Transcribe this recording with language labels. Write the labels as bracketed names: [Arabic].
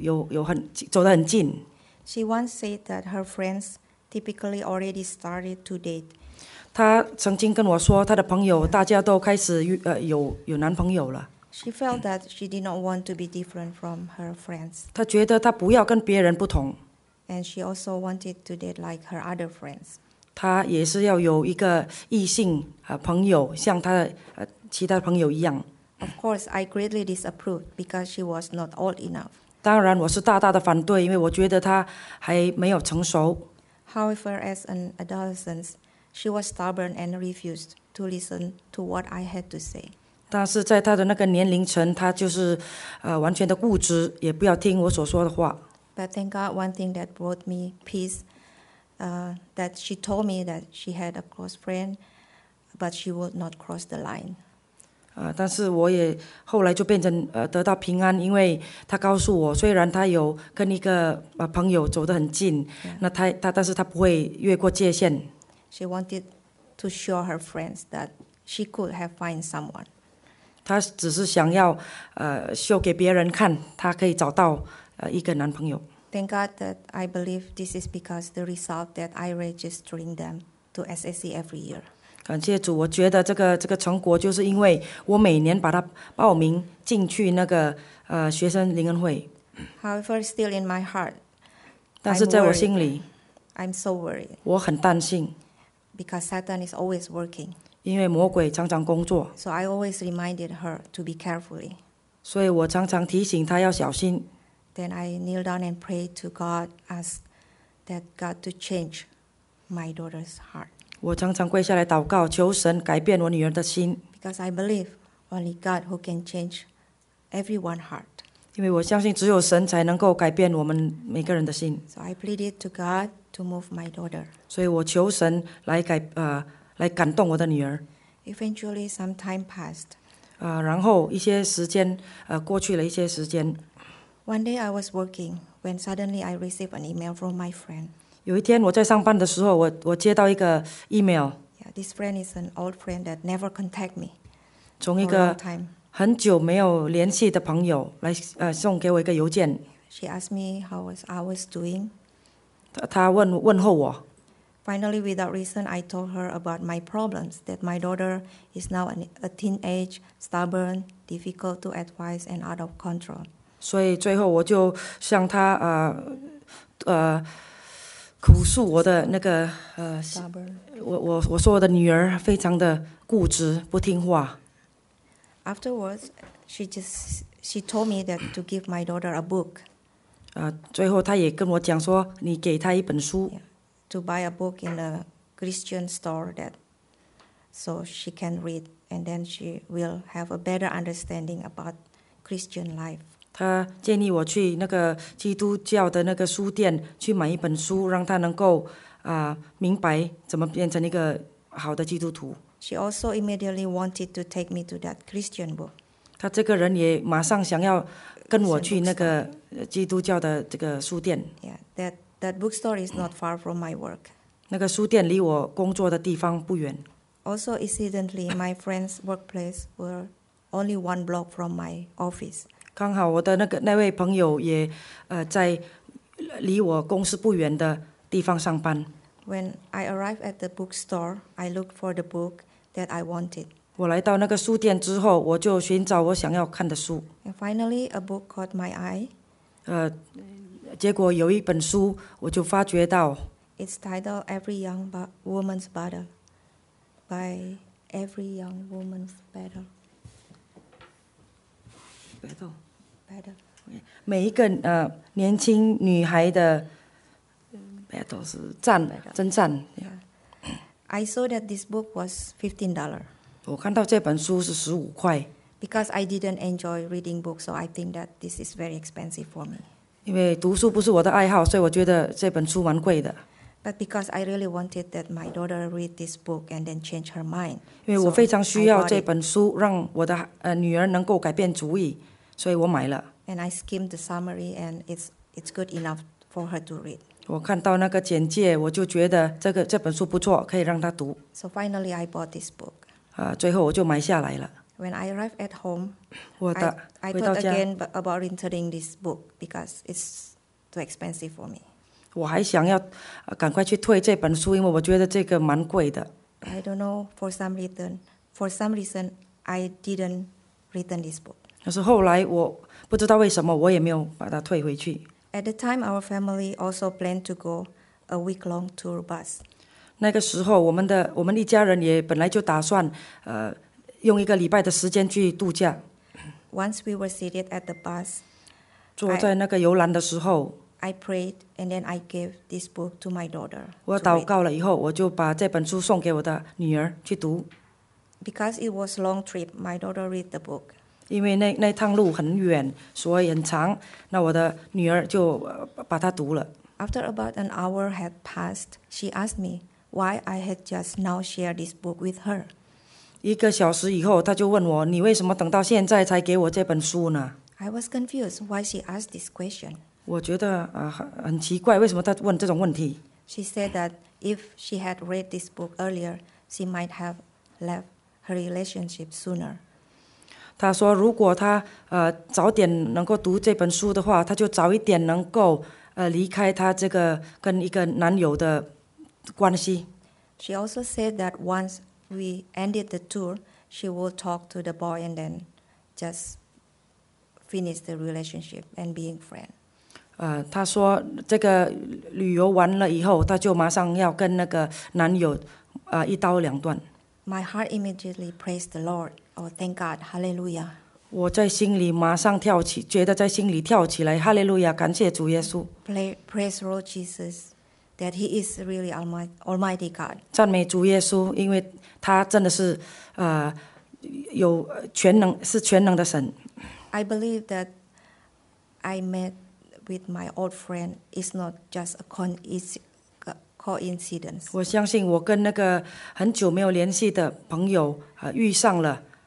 [Chinese] 有一天我发现他跟一位异性走得很近。 [English] She once said that her friends typically already started to date. [Chinese] 她曾经跟我说，她的朋友大家都开始有男朋友了。 [English] She felt that she did not want to be different from her friends. [Chinese] 她觉得她不要跟别人不同。 [English] And she also wanted to date like her other friends. [Chinese] 她也是要有一个异性朋友，像她的其他朋友一样。 [English] Of course, I greatly disapproved because she was not old enough. [Chinese] 当然我是大大的反对, 因为我觉得她还没有成熟。 [English] However, as an adolescent, she was stubborn and refused to listen to what I had to say. [Chinese] 但是在她的那个年龄层, 她就是, 完全的固执, 也不要听我所说的话。 [English] But thank God, one thing that brought me peace, that she told me that she had a close friend, but she would not cross the line. [Chinese] 但是我也后来就变成 得到平安， 因为他告诉我， 虽然他有跟一个 朋友走得很近， yeah. 但是他不会越过界限。 [English] She wanted to show her friends that she could have find someone. [Chinese] 他只是想要 show给别人看， 他可以找到 一个男朋友。 [English] Thank God that I believe this is because the result that I registering them to SAC every year. [Chinese] 感谢主, 我觉得这个成果就是因为我每年把它报名进去那个, 学生灵恩会。 [English] However, still in my heart, [Chinese] 但是在我心里, [English] I'm so worried. [Chinese] 我很担心, [English] because Satan is always working. [Chinese] 因为魔鬼常常工作。 [English] So I always reminded her to be carefully. [Chinese] 所以我常常提醒她要小心。 [English] Then I kneel down and pray to God, ask that God to change my daughter's heart. [Chinese] 我常常跪下来祷告, 求神改变我女儿的心。 [English] Because I believe only God who can change everyone's heart. [Chinese] 因为我相信只有神才能够改变我们每个人的心。 [English] So I pleaded to God to move my daughter. [Chinese] 所以我求神来改, 来感动我的女儿。 [English] Eventually some time passed. [Chinese] 然后一些时间, 过去了一些时间。 [English] One day I was working when suddenly I received an email from my friend. [Chinese] 有一天我在上班的时候, 我接到一个 email. [English] Yeah, this friend is an old friend that never contact me. [Chinese] 从一个很久没有联系的朋友来, 送给我一个邮件。 [English] She asked me how was I was doing. [Chinese] 她问候我。 [English] Finally, without reason, I told her about my problems, that my daughter is now a teenage, stubborn, difficult to advise, and out of control. [Chinese] 所以最后我就向他, 哭诉我的那个我说我的女儿非常的固执不听话。 [English] Afterwards, she told me that to give my daughter a book. [Chinese] 最后她也跟我讲说，你给她一本书。 [English] To buy a book in a Christian store that so she can read, and then she will have a better understanding about Christian life. [Chinese] 她建议我去那个基督教的那个书店去买一本书，让她能够明白怎么变成一个好的基督徒。 [English] She also immediately wanted to take me to that Christian book. [Chinese] 她这个人也马上想要跟我去那个基督教的这个书店。 [English] Yeah, that bookstore is not far from my work. [Chinese] 那个书店离我工作的地方不远。 [English] Also, incidentally, my friend's workplace were only one block from my office. [Chinese] 刚好我的那位朋友也在离我公司不远的地方上班。 [English] When I arrived at the bookstore, I looked for the book that I wanted. [Chinese] 我来到那个书店之后，我就寻找我想要看的书。 [English] And finally, a book caught my eye. [Chinese] 结果有一本书，我就发觉到。 [English] It's titled Every Young Woman's Battle by Every Young Woman's Battle. [Chinese] Battle. 每一个年轻女孩的。 Battles, 战, 征战。 [English] I saw that this book was $15. [Chinese] 我看到这本书是15块。 [English] Because I didn't enjoy reading books, so I think that this is very expensive for me. [Chinese] 因为读书不是我的爱好，所以我觉得这本书蛮贵的。 [English] But because I really wanted that my daughter read this book and then change her mind. [Chinese] 因为我非常需要这本书，让我的女儿能够改变主意，所以我买了。 [English] And I skimmed the summary, and it's good enough for her to read. [Chinese] 我看到那个简介，我就觉得这本书不错，可以让他读。 [English] So finally, I bought this book. [Chinese] 最后我就买下来了。 [English] When I arrived at home, [Chinese] 我的 [English] I thought again about returning this book because it's too expensive for me. [Chinese] 我还想要赶快去退这本书，因为我觉得这个蛮贵的。 [English] I don't know for some reason, I didn't return this book. [Chinese] 但是后来我不知道为什么，我也没有把它退回去。 [English] At the time, our family also planned to go a week-long tour bus. [Chinese] 那个时候，我们一家人也本来就打算，用一个礼拜的时间去度假。 [English] Once we were seated at the bus, [Chinese] 坐在那个游览的时候 [English] I prayed and then I gave this book to my daughter. [Chinese] 我祷告了以后，我就把这本书送给我的女儿去读。 [English] Because it was a long trip, my daughter read the book. [Chinese] 因为那趟路很远，所以很长，那我的女儿就把它读了。 [English] After about an hour had passed, she asked me why I had just now shared this book with her. [Chinese] 一个小时以后，她就问我，你为什么等到现在才给我这本书呢？ [English] I was confused why she asked this question. [Chinese] 我觉得很奇怪，为什么她问这种问题？ [English] She said that if she had read this book earlier, she might have left her relationship sooner. [Chinese] 他说如果他早点能够读这本书的话，他就早一点能够离开他这个跟一个男友的关系。 [English] She also said that once we ended the tour, she will talk to the boy and then just finish the relationship and being friend. [Chinese] 他说这个旅游完了以后，他就马上要跟那个男友一刀两断。 [English] My heart immediately praised the Lord. Oh, thank God, Hallelujah! [Chinese] 我在心里马上跳起，觉得在心里跳起来 ，Hallelujah! 感谢主耶稣。 [English] Praise Lord Jesus, that He is really Almighty God. [Chinese] 赞美主耶稣，因为他真的是有全能，是全能的神。 [English] I believe that I met with my old friend is not just a coincidence. [Chinese] 我相信我跟那个很久没有联系的朋友遇上了。